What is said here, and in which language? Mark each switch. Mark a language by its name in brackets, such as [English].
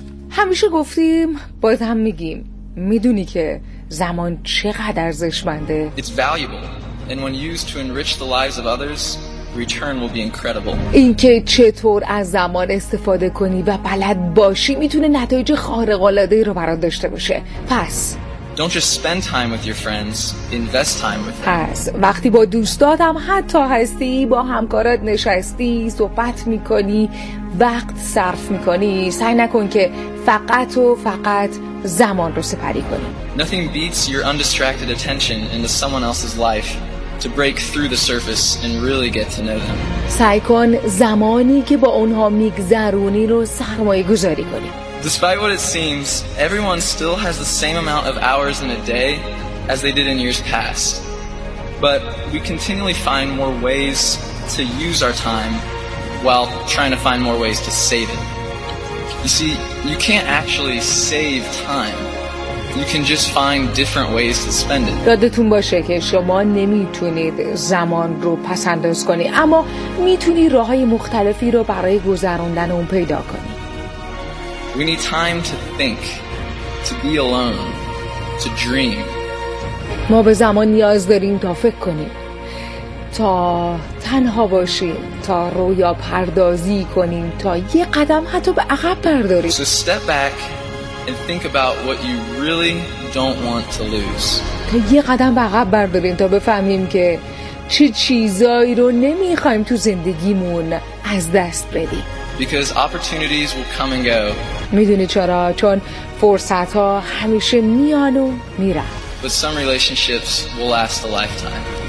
[Persian] همیشه گفتیم، باید هم میگیم، میدونی که زمان چقدر ارزشمنده؟ [English] It's valuable. And when used to enrich the lives of others, return will be incredible. [Persian] این که چطور از زمان استفاده کنی و بلد باشی میتونه نتایج خارق‌العاده‌ای رو برات داشته باشه. [English] پس Don't just spend time with your friends, invest time with them. [Persian] پس وقتی با دوستات هم حتی هستی، با همکارات نشستی، صحبت می‌کنی، وقت صرف می‌کنی، سعی نکن که فقط و فقط زمان رو سپری کنی. [English] Nothing beats your undistracted attention into someone else's life to break through the surface and really get to know them. [Persian] سعی کن زمانی که با اونها میگذرونی رو سرمایه گذاری کنی. [English] Despite what it seems, everyone still has the same amount of hours in a day as they did in years past. But we continually find more ways to use our time while trying to find more ways to save it. You see, you can't actually save time. You can just find different ways to spend it. [Persian] یادتون باشه که شما نمیتونید زمان رو پسنداز کنی، اما میتونی راه‌های مختلفی رو برای گذروندن اون پیدا کنی. [English] We need time to think, to be alone, to dream. [Persian] ما به زمان نیاز داریم تا فکر کنیم، تا تنها باشیم، تا رویا پردازی کنیم، تا یه قدم حتی به عقب برداریم. [English] So step back and think about what you really don't want to lose. [Persian] تا یه قدم به عقب برداریم تا بفهمیم که چه چیزایی رو نمیخوایم تو زندگیمون از دست بدیم. [English] Because opportunities will come and go. [Persian] میدونی چرا؟ چون فرصت ها همیشه میان و میرن. [English] But some relationships will last a lifetime.